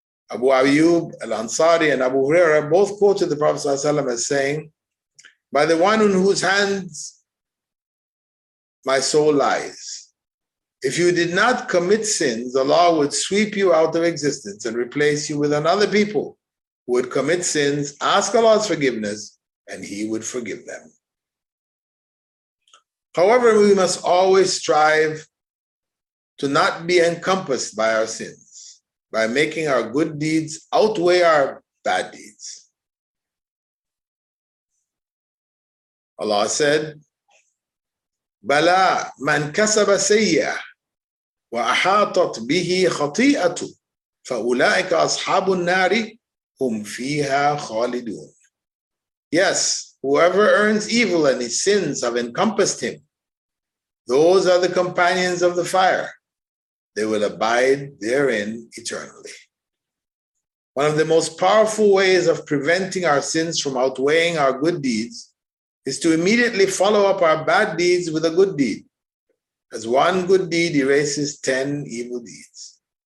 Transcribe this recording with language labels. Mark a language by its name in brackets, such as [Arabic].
[English] Abu Ayyub Al-Ansari and Abu Huraira both quoted the Prophet ﷺ as saying, by the one in whose hands my soul lies, if you did not commit sins, Allah would sweep you out of existence and replace you with another people who would commit sins, ask Allah's forgiveness, and He would forgive them. However, we must always strive to not be encompassed by our sins, by making our good deeds outweigh our bad deeds. [Arabic] Allah said, بَلَا مَنْ كَسَبَ سَيِّئَةً وَأَحَاطَتْ بِهِ خَطِيئَةٌ فَأُولَٰئِكَ أَصْحَابُ النَّارِ هُمْ فِيهَا خَالِدُونَ. [English] Yes, whoever earns evil and his sins have encompassed him, those are the companions of the fire. They will abide therein eternally. One of the most powerful ways of preventing our sins from outweighing our good deeds is to immediately follow up our bad deeds with a good deed, as one good deed erases 10 evil deeds.